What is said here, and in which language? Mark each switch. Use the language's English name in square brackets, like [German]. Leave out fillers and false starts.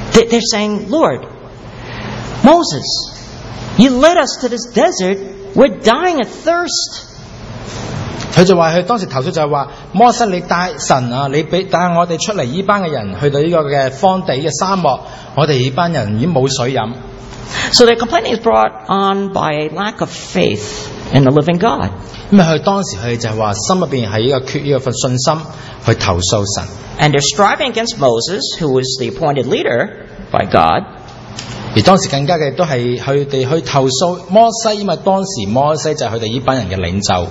[English] They're saying, Lord,Moses, you led us to this desert. We're dying of thirst. [Cantonese] 他就话，他当时投诉就系话，摩西，你带神啊，你俾带我哋出嚟呢班嘅人去到呢个嘅荒地嘅沙漠，我哋呢班人已经冇水饮。 [English] So their complaint is brought on by a lack of faith in the living God. [Cantonese] 咁啊，佢当时佢就系话，心里边系一个缺呢个份信心去投诉神。 [English] And they're striving against Moses, who was the appointed leader by God. [Cantonese] 而当时更加嘅都系佢哋去投诉摩西，因为当时摩西就系佢哋呢班人嘅领袖。